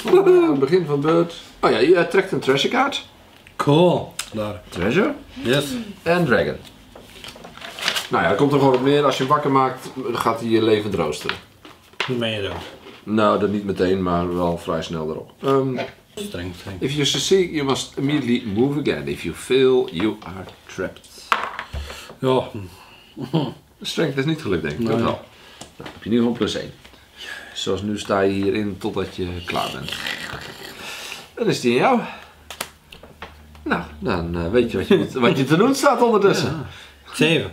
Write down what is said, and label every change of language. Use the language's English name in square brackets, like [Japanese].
[Dutch] Voor het begin van beurt. Oh ja, je trekt een treasure kaart. Cool. Daar. [English] Treasure. Yes. [Dutch] En dragon. Nou ja, dat komt er gewoon op neer. Als je hem wakker maakt, gaat hij je levend roosteren. Hoe meen je dat? Nou, dat niet meteen, maar wel vrij snel erop. [English] Strength. If you succeed, you must immediately move again. If you fail, you are trapped. [Dutch] Ja. Strength is niet gelukt, denk ik. Nee. Nou, dan heb je nu gewoon +1. Zoals nu sta je hierin totdat je klaar bent. Dan is die aan jou. Nou, dan weet je wat je te doen staat ondertussen. Ja. 7.